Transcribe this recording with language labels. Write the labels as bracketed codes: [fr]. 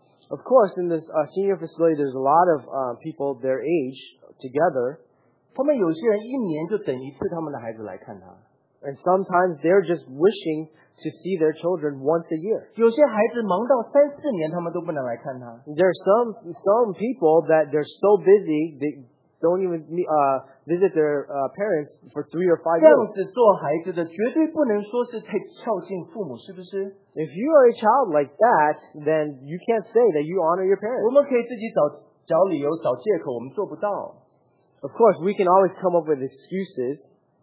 [en] Of course, in this senior facility, there's a lot of people their age together. [zh] 他们有些人一年就等一次他们的孩子来看他。 [en] And sometimes they're just wishing to see their children once a year. [zh] 有些孩子忙到三四年，他们都不能来看他。 [en] There are some people that they're so busy they don't even visit their parents for 3 or 5 years. [zh] 这样子做孩子的绝对不能说是太孝敬父母，是不是？ [en] If you are a child like that, then you can't say that you honor your parents. [zh] 我们可以自己找理由，找借口，我们做不到。 [en] Of course, we can always come up with excuses.